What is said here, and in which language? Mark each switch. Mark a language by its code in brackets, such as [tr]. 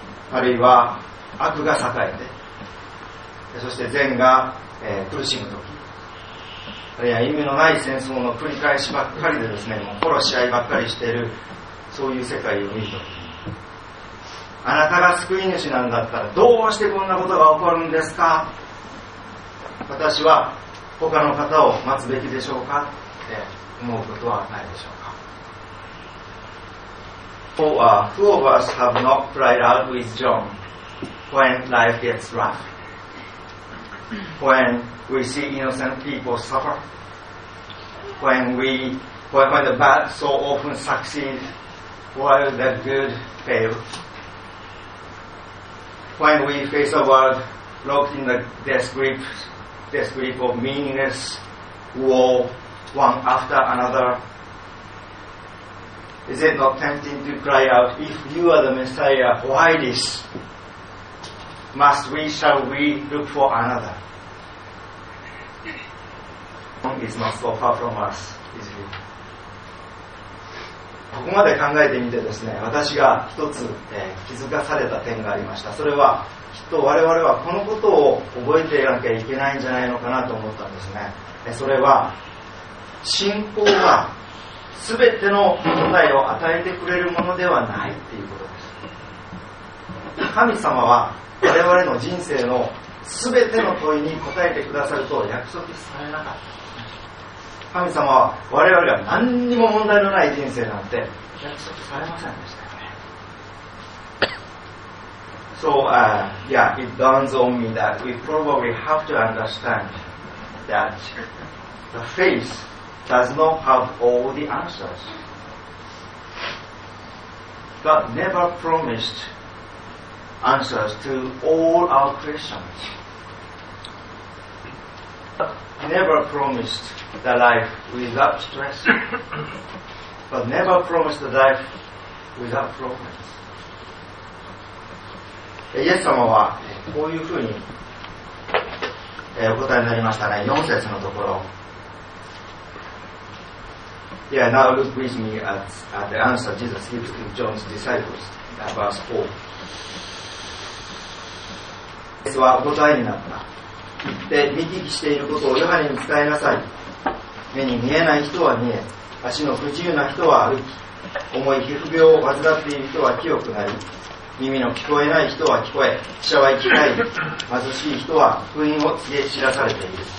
[ja] あるいは悪が栄えて、そして善が、苦しむとき、あるいは意味のない戦争の繰り返しばっかりでですね、もう殺し合いばっかりしている、そういう世界を見るときに、あなたが救い主なんだったらどうしてこんなことが起こるんですか。私は他の方を待つべきでしょうかって思うことはないでしょうか。 [en] For a few of us have not cried out with John when life gets rough, whenWe see innocent people suffer. When the bad so often succeed, while the good fail. When we face a world locked in the death grip of meaningless war, one after another. Is it not tempting to cry out, if you are the Messiah, why this? Must we, shall we look for another? home is not so far from us, is it? [ja] ここまで考えてみてですね、私が一つ、気づかされた点がありました。それはきっと我々はこのことを覚えていなきゃいけないんじゃないのかなと思ったんですね。それは信仰は全ての問題を与えてくれるものではないっていうことです。神様は我々の人生の全ての問いに答えてくださると約束されなかった。神様は我々は何にも問題のない人生なんて約束されませんでしたよね。 [en] So, yeah, it dawns on me that we probably have to understand that the faith does not have all the answers. God never promised answers to all our questions. Never promised the life without stress, but never promised the life without problems. [ja] イエス様はこういうふうにお答えになりましたね。 4節のところ。 [en] Yeah, now look with me at the answer Jesus gives to John's disciples, verse 4. [ja] イエスはお答えになった。で見聞きしていることをヨハネに伝えなさい。目に見えない人は見え、足の不自由な人は歩き、重い皮膚病を患っている人は清くなり、耳の聞こえない人は聞こえ、死者は生き返り、貧しい人は福音を告げ知らされている。